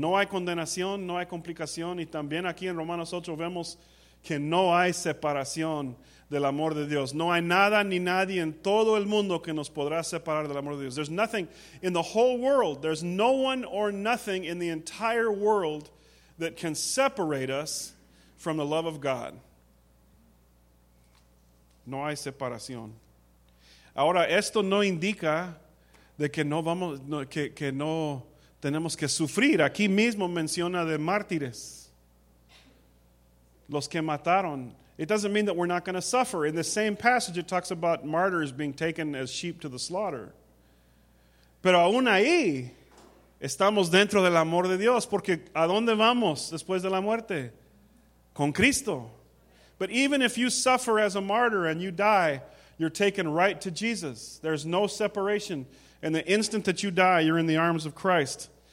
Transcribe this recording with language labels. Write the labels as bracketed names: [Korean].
[Spanish] No hay condenación, no hay complicación. Y también aquí en Romanos 8 vemos que no hay separación del amor de Dios. No hay nada ni nadie en todo el mundo que nos podrá separar del amor de Dios. [English] There's nothing in the whole world. There's no one or nothing in the entire world that can separate us from the love of God. [Spanish] No hay separación. Ahora, esto no indica de que no vamos, que no tenemos que sufrir. Aquí mismo menciona de mártires, los que mataron. [English] It doesn't mean that we're not going to suffer. In the same passage, it talks about martyrs being taken as sheep to the slaughter. [Spanish] Pero aún ahí, estamos dentro del amor de Dios, porque ¿a dónde vamos después de la muerte? Con Cristo. [English] But even if you suffer as a martyr and you die, you're taken right to Jesus. There's no separation. And the instant that you die, you're in the arms of Christ.